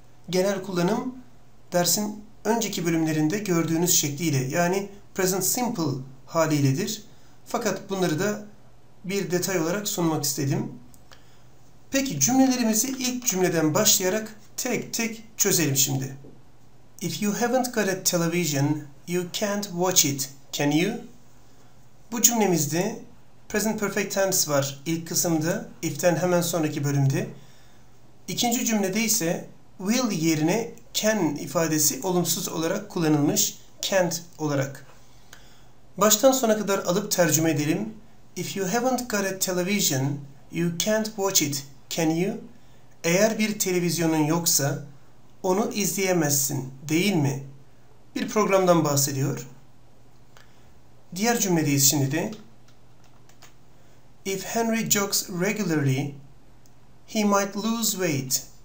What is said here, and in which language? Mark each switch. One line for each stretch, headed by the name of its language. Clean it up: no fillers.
Turkish: Genel kullanım dersin önceki bölümlerinde gördüğünüz şekliyle yani present simple haliyledir. Fakat bunları da bir detay olarak sunmak istedim. Peki cümlelerimizi ilk cümleden başlayarak tek tek çözelim şimdi.
English: If you haven't got a television, you can't watch it, can you?
Turkish: Bu cümlemizde present perfect tense var ilk kısımda, if'ten hemen sonraki bölümde. İkinci cümlede ise will yerine can ifadesi olumsuz olarak kullanılmış, can't olarak. Baştan sona kadar alıp tercüme edelim.
English: If you haven't got a television, you can't watch it, can you?
Turkish: Eğer bir televizyonun yoksa onu izleyemezsin, değil mi? Bir programdan bahsediyor. Diğer cümledeyiz şimdi de.
English: If Henry jogs regularly, he might lose weight.